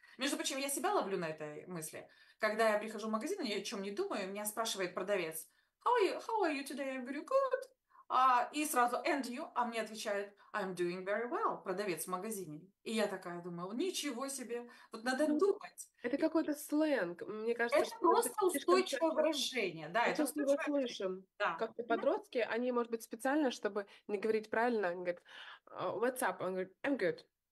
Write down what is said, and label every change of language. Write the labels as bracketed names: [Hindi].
[Russian] Между прочим, я себя ловлю на этой мысли. Когда я прихожу в магазин, я о чем не думаю, меня спрашивает продавец, [English] How are you today? I'm very good. [Russian] И сразу, [English] and you? [Russian] А мне отвечает, [English] I'm doing very well. [Russian] Продавец в магазине. И я такая думаю, ничего себе. Вот надо думать. Это какой-то сленг, мне кажется. Это просто устойчивое выражение. Да, это устойчивое выражение. Мы его слышим. Да. Как-то подростки, они, может быть, специально, чтобы не говорить правильно, они говорят, [English] what's up? [Russian] Он говорит, [English] I'm good.